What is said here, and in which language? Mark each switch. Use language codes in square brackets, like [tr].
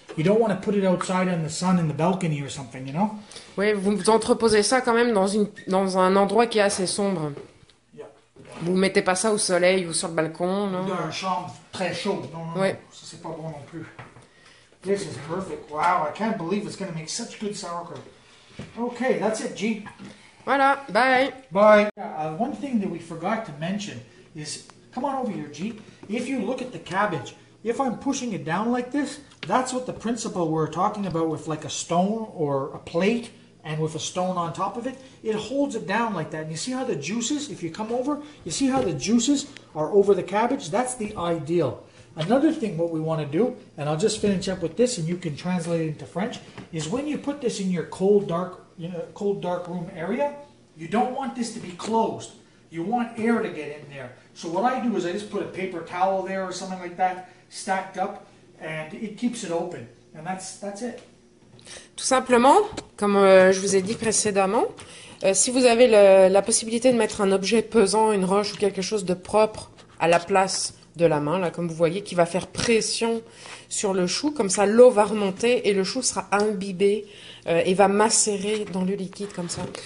[en] You don't want to put it outside in the sun in the balcony or something, you know? [fr] Oui, vous entreposez ça quand même dans un endroit qui est assez sombre. Vous ne mettez pas ça au soleil ou sur le balcon, non? Dans une chambre très chaude. Non, non, oui. Ça, c'est pas bon non plus. [en] This is perfect. Wow, I can't believe it's going to make such good sauerkraut. Okay, that's it, G. [fr] Voilà, bye. [en] Bye. One thing that we forgot to mention is, come on over here, G. If you look at the cabbage, if I'm pushing it down like this, that's what the principle we're talking about with like a stone or a plate. And with a stone on top of it, it holds it down like that. And you see how the juices, if you come over, you see how the juices are over the cabbage? That's the ideal. Another thing what we want to do, and I'll just finish up with this and you can translate it into French, is when you put this in your cold, dark room area, you don't want this to be closed. You want air to get in there. So what I do is I just put a paper towel there or something like that, stacked up, and it keeps it open. And that's it. [fr] Tout simplement, comme je vous ai dit précédemment, si vous avez la possibilité de mettre un objet pesant, une roche ou quelque chose de propre à la place de la main, là, comme vous voyez, qui va faire pression sur le chou, comme ça l'eau va remonter et le chou sera imbibé et va macérer dans le liquide comme ça.